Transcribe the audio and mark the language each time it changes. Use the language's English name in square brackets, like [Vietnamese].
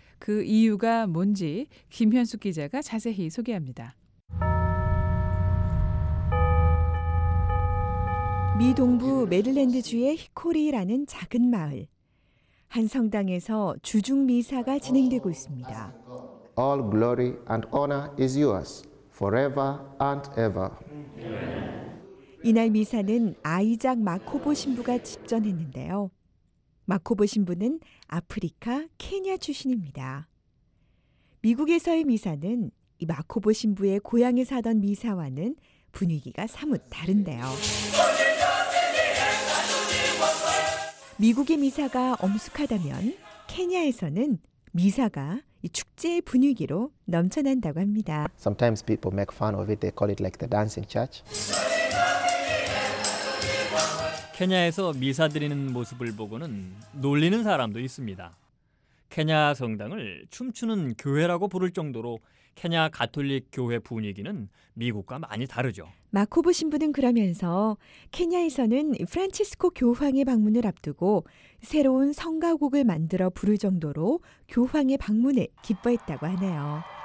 [Korean] 그 이유가 뭔지 김현숙 기자가 자세히 소개합니다. 미 동부 메릴랜드주의 히코리라는 작은 마을. 한 성당에서 주중 미사가 진행되고 있습니다. [English] All glory and honor is yours forever and ever. [Korean] 이날 미사는 아이작 마코보 신부가 집전했는데요. 마코보 신부는 아프리카 케냐 출신입니다. 미국에서의 미사는 이 마코보 신부의 고향에서 하던 미사와는 분위기가 사뭇 다른데요. 미국의 미사가 엄숙하다면 케냐에서는 미사가 이 축제의 분위기로 넘쳐난다고 합니다. [English] Sometimes people make fun of it. They call it like the dancing church. [Korean] 케냐에서 미사 드리는 모습을 보고는 놀리는 사람도 있습니다. 케냐 성당을 춤추는 교회라고 부를 정도로 케냐 가톨릭 교회 분위기는 미국과 많이 다르죠. 마코보 신부는 그러면서 케냐에서는 프란치스코 교황의 방문을 앞두고 새로운 성가곡을 만들어 부를 정도로 교황의 방문에 기뻐했다고 하네요.